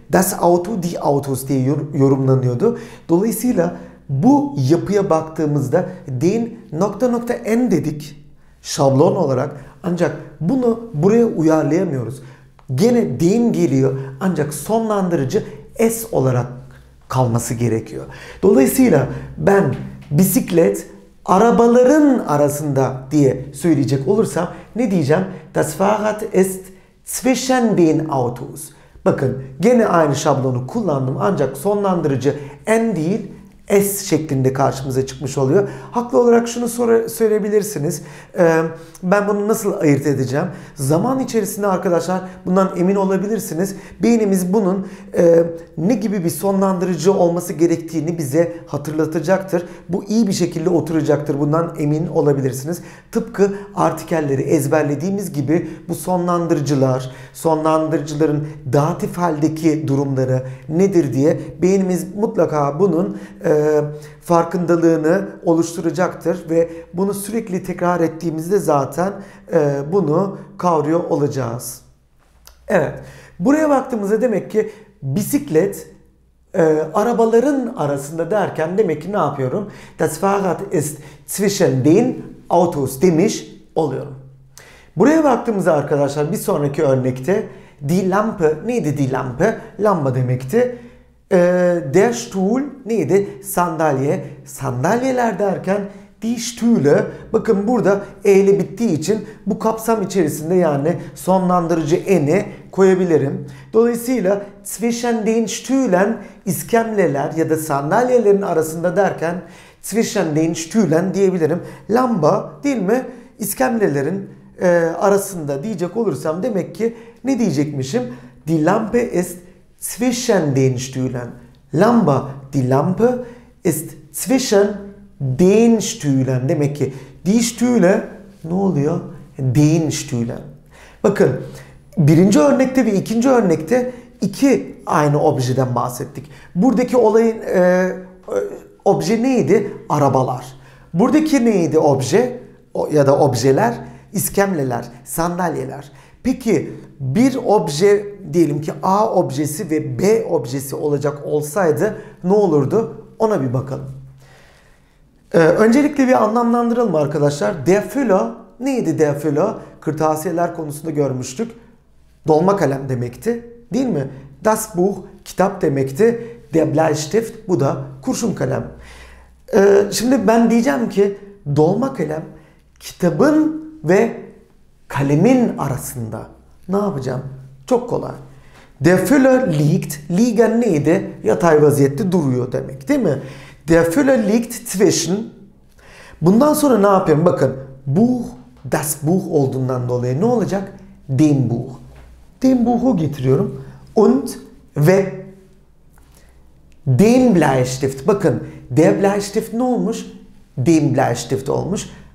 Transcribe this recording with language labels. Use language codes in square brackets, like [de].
[de] Das Auto die Autos [tr] diye yorumlanıyordu. Dolayısıyla bu yapıya baktığımızda den nokta nokta en dedik şablon olarak, ancak bunu buraya uyarlayamıyoruz. Gene den geliyor ancak sonlandırıcı es olarak kalması gerekiyor. Dolayısıyla ben bisiklet arabaların arasında diye söyleyecek olursam ne diyeceğim? [de] Das Fahrrad ist zwischen den Autos. [tr] Bakın gene aynı şablonu kullandım ancak sonlandırıcı en değil es şeklinde karşımıza çıkmış oluyor. Haklı olarak şunu söyleyebilirsiniz. Ben bunu nasıl ayırt edeceğim? Zaman içerisinde arkadaşlar bundan emin olabilirsiniz. Beynimiz bunun ne gibi bir sonlandırıcı olması gerektiğini bize hatırlatacaktır. Bu iyi bir şekilde oturacaktır. Bundan emin olabilirsiniz. Tıpkı artikelleri ezberlediğimiz gibi bu sonlandırıcılar, sonlandırıcıların datif haldeki durumları nedir diye beynimiz mutlaka bunun farkındalığını oluşturacaktır ve bunu sürekli tekrar ettiğimizde zaten bunu kavruyor olacağız. Evet, buraya baktığımızda demek ki bisiklet arabaların arasında derken demek ki ne yapıyorum? [de] Das Fahrrad ist zwischen den Autos [tr] demiş oluyorum. Buraya baktığımızda arkadaşlar bir sonraki örnekte die Lampe neydi? Die Lampe lamba demekti. Der Stuhl neydi? Sandalye. Sandalyeler derken [de] die Stühle, [tr] bakın burada e ile bittiği için bu kapsam içerisinde yani sonlandırıcı en'i koyabilirim. Dolayısıyla [de] zwischen den Stühlen, [tr] iskemleler ya da sandalyelerin arasında derken zwischen den Stühlen diyebilirim. Lamba değil mi? İskemlelerin arasında diyecek olursam demek ki ne diyecekmişim? [de] Die Lampe ist zwischen den Stühlen. [tr] Lamba, [de] die Lampe ist zwischen den Stühlen. [tr] Demek ki die Stühle ne oluyor? Den Stühlen. Bakın birinci örnekte ve ikinci örnekte iki aynı objeden bahsettik. Buradaki olayın obje neydi? Arabalar. Buradaki neydi obje? Ya da objeler? İskemleler, sandalyeler. Peki bir obje diyelim ki A objesi ve B objesi olacak olsaydı ne olurdu? Ona bir bakalım. Öncelikle bir anlamlandıralım arkadaşlar. Der Füller neydi der Füller? Kırtasiyeler konusunda görmüştük. Dolma kalem demekti. Değil mi? Das Buch kitap demekti. Der Bleistift bu da kurşun kalem. Şimdi ben diyeceğim ki dolma kalem kitabın ve kalemin arasında. Ne yapacağım? Çok kolay. [de] Der Füller liegt. [tr] Liegen neydi? Yatay vaziyette duruyor demek. Değil mi? [de] Der Füller liegt zwischen. [tr] Bundan sonra ne yapayım? Bakın. Buch. Das Buch olduğundan dolayı ne olacak? [de] Dem Buch. Dem Buch'u [tr] getiriyorum. Und ve [de] dem Bleistift. [tr] Bakın. Der Bleistift ne olmuş? Dem Bleistift olmuş.